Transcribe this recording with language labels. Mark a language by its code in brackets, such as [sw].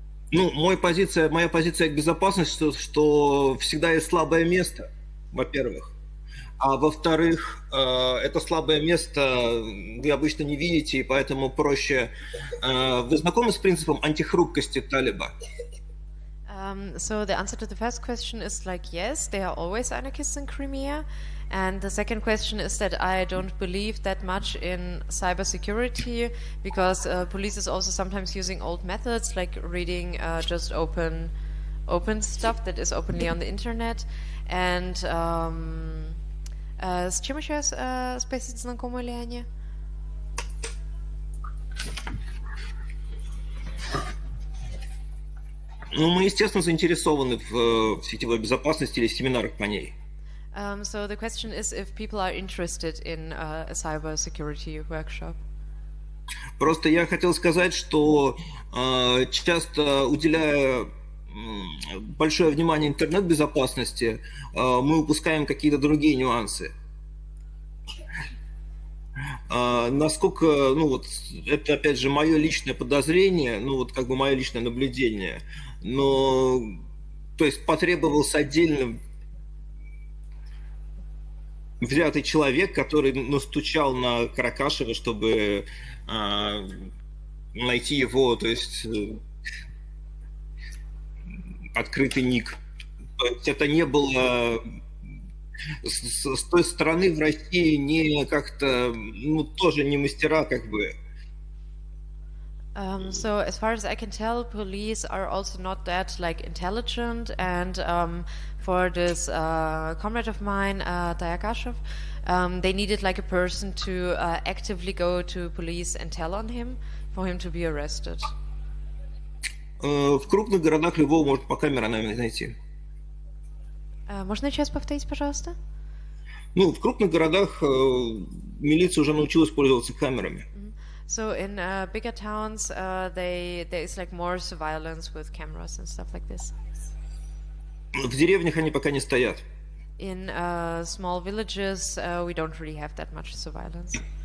[ru] моя позиция к безопасности, что всегда есть слабое место, во-первых. А во-вторых, это слабое место вы обычно не видите, и поэтому проще. Вы знакомы с принципом антихрупкости Талиба? [en] So the answer to the first question is like yes, there are always anarchists in Crimea. And the second question is that I don't believe that much in cybersecurity because police is also sometimes using old methods like reading just open stuff that is openly on the internet. [ru] And с чем еще спросить, знакомы ли они? Ну, мы, естественно, заинтересованы в сетевой безопасности или семинарах по ней. [en] So the question is if people are interested in a cyber security workshop. [ru] Просто я хотел сказать, что часто уделяя большое внимание интернет-безопасности, мы упускаем какие-то другие нюансы. Насколько, ну вот, это опять же мое личное подозрение, ну вот как бы мое личное наблюдение, но то есть потребовался отдельно взятый человек, который настучал на Каракашева, чтобы найти его, то есть открытый ник. То есть это не было с той стороны в России не как-то, ну, тоже не мастера, как бы. [en] So as far as I can tell, police are also not that like intelligent, and for this comrade of mine, Dayakashov, they needed like a person to actively go to police and tell on him for him to be arrested. [ru] В крупных городах любого может по камерам найти. Можно еще раз повторить, пожалуйста? Ну, в крупных городах милиция уже научилась пользоваться камерами. [en] So in bigger towns, there is like more surveillance with cameras and stuff like this. [ru] В деревнях они пока не стоят. [en] In small villages, we don't really have that much surveillance.